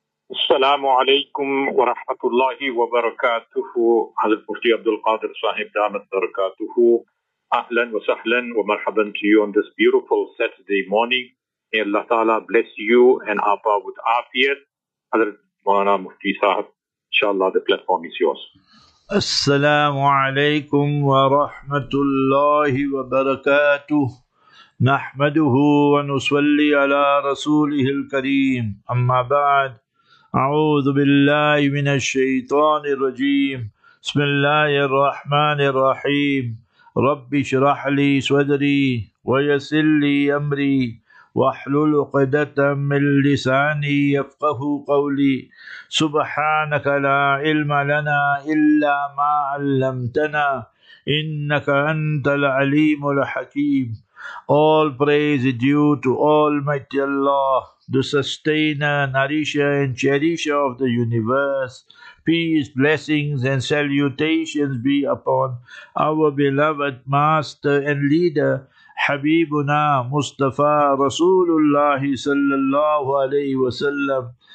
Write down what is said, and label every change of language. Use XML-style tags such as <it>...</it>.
<ar>السلام عليكم ورحمة الله وبركاته. على الفرتي عبد القادر صاحب دامة بركاته.</ar> <en>أهلا وسهلا ومرحبا to you on this beautiful Saturday morning. May Allah Ta'ala bless you and Apa with Afiyat. Hazrat Mawlana Mufti Sahib, inshallah the platform is yours.</en> <ar>السلام عليكم ورحمة الله وبركاته. نحمده ونصلي على رسوله الكريم. أما بعد, أعوذ بالله من الشيطان الرجيم. بسم الله الرحمن الرحيم. رب اشرح لي صدري ويسر لي أمري واحلل عقدة من لساني يفقهوا قولي. سبحانك لا علم لنا إلا ما علمتنا إنك أنت العليم الحكيم.</ar> <en>All praise is due to Almighty Allah, the sustainer, nourisher and cherisher of the universe. Peace, blessings and salutations be upon our beloved master and leader, Habibuna Mustafa Rasulullah sallallahu alayhi wa sallam.</en>